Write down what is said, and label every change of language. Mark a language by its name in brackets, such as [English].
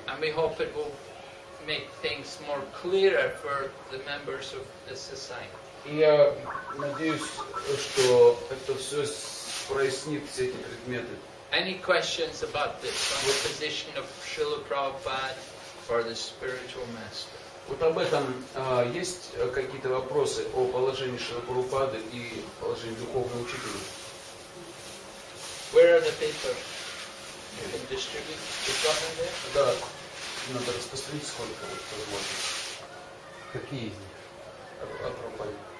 [English] And we hope it will make things more clearer for the members of the society. [Russian] И я надеюсь, что это все прояснит все эти предметы. [English] Any questions about this, on the position of Srila Prabhupada or the spiritual master? [Russian] Вот об этом есть какие-то вопросы о положении Шрилы Прабхупады и положении духовного учителя? [English] Where are the papers? You can distribute. You've got them there? [Russian] Да. Надо распространить, сколько возможно. Какие из них?